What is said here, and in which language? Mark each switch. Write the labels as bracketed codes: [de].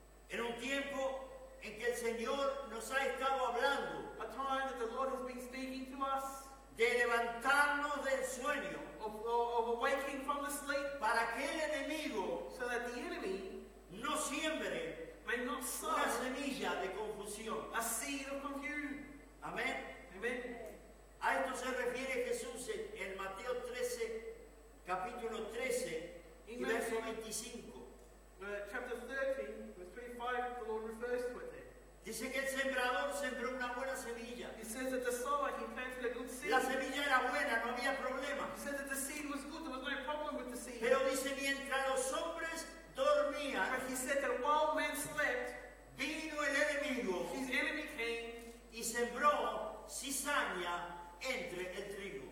[es] En un tiempo en que el Señor nos ha estado hablando. [en] A time that the Lord has been speaking to us. [es] De levantarnos del sueño. [en] Of awaking from the sleep. [es] Para que el enemigo, [en] so that the enemy, [es] no siembre, [en] may not sow, [es] una semilla de confusión, [en] a seed of confusion. [es] Amén. [en] Amen. [es] A esto se refiere Jesús en Mateo 13, capítulo 13, [en] in [es] y [en] Matthew, [es] verso 25. [en] Chapter 13, verse 25, the Lord refers to it there. [es] Dice que el sembrador sembró una buena semilla. [en] He says that the sower, he planted a good seed. [es] La semilla era buena, no había problema. [en] He says that the seed was good, there was no problem with the seed. [es] Pero dice, mientras los hombres dormía, [en] but he said that while men slept, [es] vino el enemigo, [en] his enemy came, [es] y sembró cizaña entre el trigo,